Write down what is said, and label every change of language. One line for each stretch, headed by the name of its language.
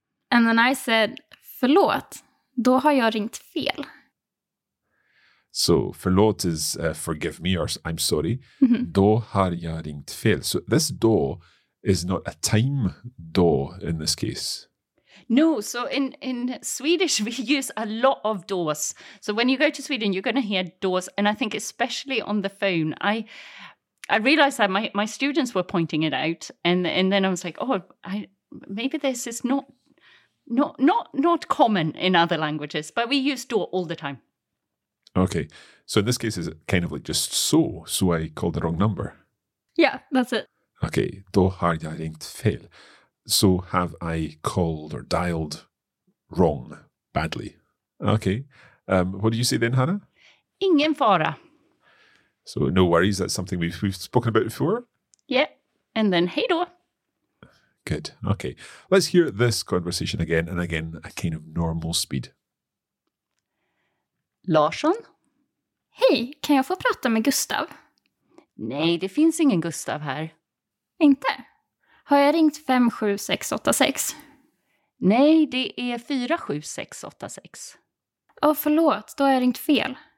English: And then I said,
Swedish: förlåt, då har jag ringt fel.
English: So, förlåt is forgive me or I'm sorry. Mm-hmm.
Swedish: Då har jag ringt fel.
English: So, this då is not a time då in this case. No, so in Swedish we use a lot of dos. So when you go to Sweden, you're going to hear dos, and I think especially on the phone, I realized that my students were pointing it out, and then I was like, oh, maybe this is not common in other languages, but we use do all the time. Okay, so in this case, is it kind of like just so I called the wrong number? Yeah, that's it.
Swedish: Okay, då har jag ringt fel.
English: So have I called or dialed wrong, badly. Okay, what do you say then, Hannah?
Swedish: Ingen fara.
English: So no worries, that's something we've spoken about before? Yeah, and then hej då. Good, okay. Let's hear this conversation again and again, a kind of normal speed.
Swedish: Larsson? Hej, kan jag få prata med Gustav? Nej, det finns ingen Gustav här. Inte? Har jag ringt 57686? Nej, det är 47686. Åh, förlåt, då har jag ringt fel.